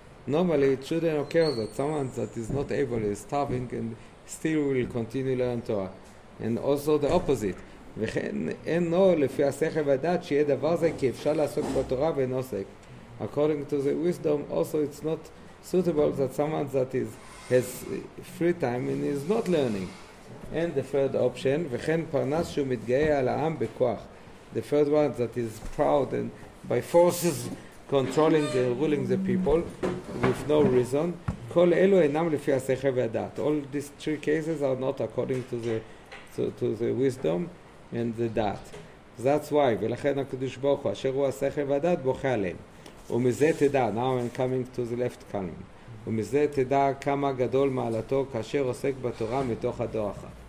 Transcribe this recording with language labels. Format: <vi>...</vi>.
<en>Normally, it shouldn't occur that someone that is not able is starving and still will continue learn Torah. And also the opposite.</en> <he>וכן אין לו לפי השכל והדעת שיהיה דבר זה כי אפשר לעסוק בתורה ואין עוסק.</he> <en>According to the wisdom, also it's not suitable that someone that has free time and is not learning. And the third option,</en> <he>וכן פרנס שהוא מתגאה על העם בכוח.</he> <en>The third one that is proud and by forces controlling and ruling the people with no reason.</en> <he>כל אלו אינם לפי השכל והדעת.</he> <en>All these three cases are not according to the wisdom and the דעת. That's why,</en> <he>ולכן הקדוש ברוך הוא, אשר הוא השכל והדעת, בוכה עליהם. ומזה תדע,</he> <en>now I'm coming to the left column.</en> <he>ומזה תדע כמה גדול מעלתו כאשר עוסק בתורה מתוך הדוחה.</he>